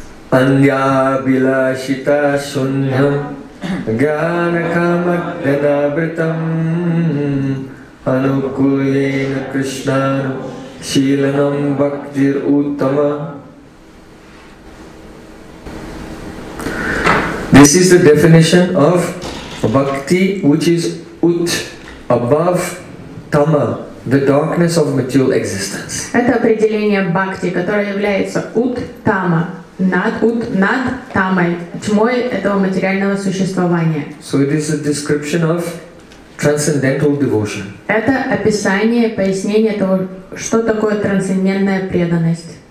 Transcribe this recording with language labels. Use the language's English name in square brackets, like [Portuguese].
[Sanskrit] Анья Билашита Шуньям Гьяна Карма Дьянавритам Анукулина Кришнану Шиланам Бхактир Уттама. [English] This is the definition of bhakti which is ut, above тама, the darkness of material existence. [Russian] Это определение бхакти, которое является ут-тама, над тамой, тьмой этого материального существования. [English] So it is a description of transcendental devotion. [Russian] Это описание, пояснение того, что такое трансцендентная преданность.